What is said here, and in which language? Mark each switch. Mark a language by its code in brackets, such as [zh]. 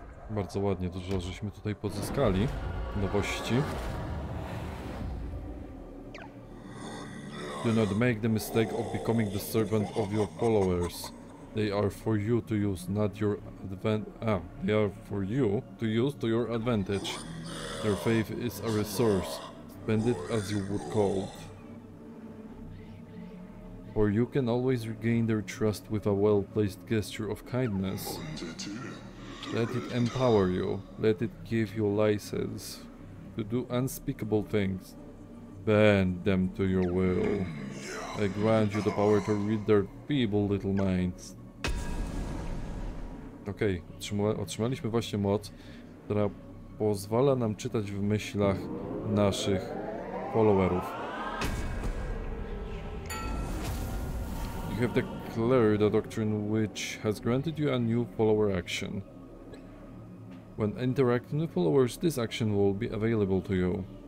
[pl] Bardzo ładnie, dużo żeśmy tutaj pozyskali nowości. [en] Do not make the mistake of becoming the servant of your followers. They are for you to use, not your they are for you to use to your advantage. Their faith is a resource. Spend it as you would gold. Or you can always regain their trust with a well-placed gesture of kindness. Let it empower you. Let it give you license to do unspeakable things. Bend them to your will. I grant you the power to read their feeble little minds. [pl] Okej, otrzymaliśmy właśnie moc, która pozwala nam czytać w myślach naszych followerów. [en] You have declared a doctrine which has granted you a new follower action. When interacting with followers, this action will be available to you.